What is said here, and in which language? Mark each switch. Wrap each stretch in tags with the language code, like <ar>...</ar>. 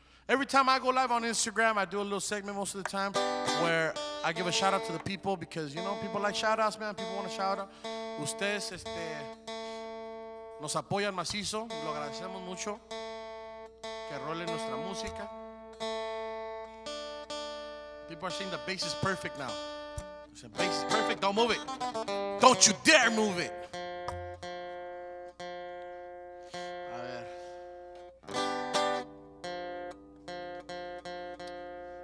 <en>Every time I go live on Instagram, I do a little segment most of the time where I give a shout out to the people because, you know, people like shout outs, man. People want a shout out.</en> <es>Ustedes, este, nos apoyan macizo, lo agradecemos mucho, que role nuestra música.</es> <en>People are saying the bass is perfect now. The bass is perfect, don't move it. Don't you dare move it.</en> <es>A ver.</es>